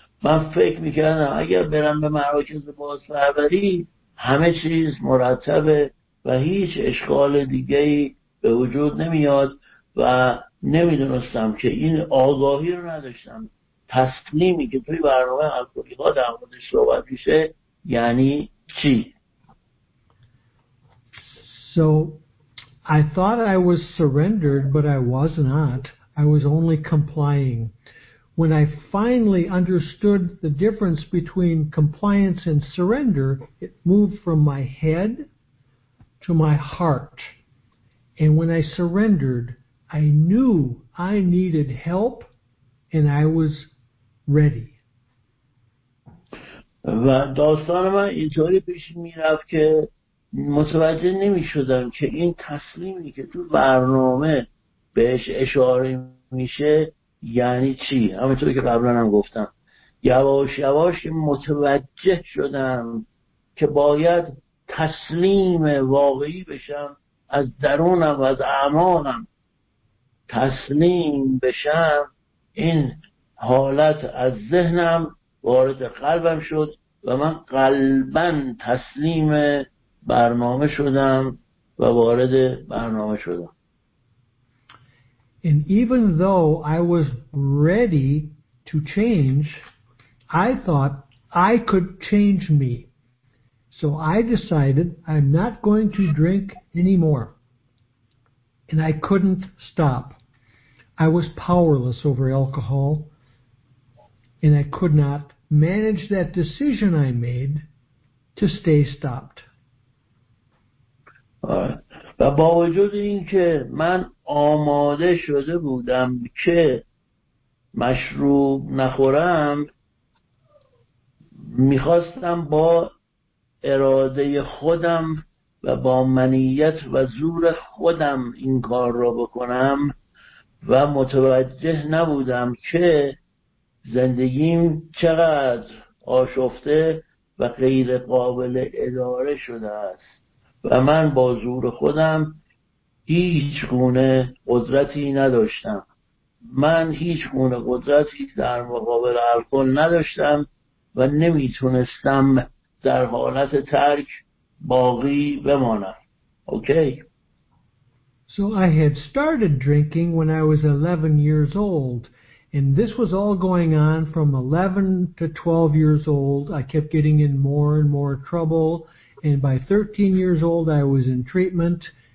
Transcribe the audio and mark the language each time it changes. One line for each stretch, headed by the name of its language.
Persian: من فکر میکردم اگر برم به مراکز بازپروری همه چیز مرتبه و هیچ اشکال دیگه‌ای به وجود نمیاد و نمیدونستم که این آگاهی رو نداشتم. تصمیمی که توی برنامه الکلی‌ها در موردش صحبت میشه یعنی چی؟
English: So I thought I was surrendered, but I was not. I was only complying. When I finally understood the difference between compliance and surrender, it moved from my head to my heart. And when I surrendered, I knew I needed help, and I was ready.
Persian: و داستان من اینطوری پیش می رفت که متوجه نمی شدم که این تسلیمی که تو برنامه بهش اشاره میشه یعنی چی؟ همونطور که قبلا هم گفتم یواش یواش متوجه شدم که باید تسلیم واقعی بشم، از درونم و از اعماقم تسلیم بشم. این حالت از ذهنم وارد قلبم شد و من قلبا تسلیم برنامه شدم و وارد برنامه شدم.
English: And even though I was ready to change, I thought I could change me. So I decided I'm not going to drink anymore. And I couldn't stop. I was powerless over alcohol, and I could not manage that decision I made to stay stopped.
Persian: و با وجود این که من آماده شده بودم که مشروب نخورم، میخواستم با اراده خودم و با منیت و زور خودم این کار را بکنم و متوجه نبودم که زندگیم چقدر آشفته و غیر قابل اداره شده است و من با زور خودم هیچ گونه قدرتی نداشتم. من هیچ گونه قدرتی در مقابل الکل نداشتم و نمیتونستم در حالت ترک باقی بمانم.
English: Okay. So I had started drinking when I was 11 years old, and this was all going on from 11 to 12 years old. I kept getting in more and more trouble. And by 13 years old, I was in treatment.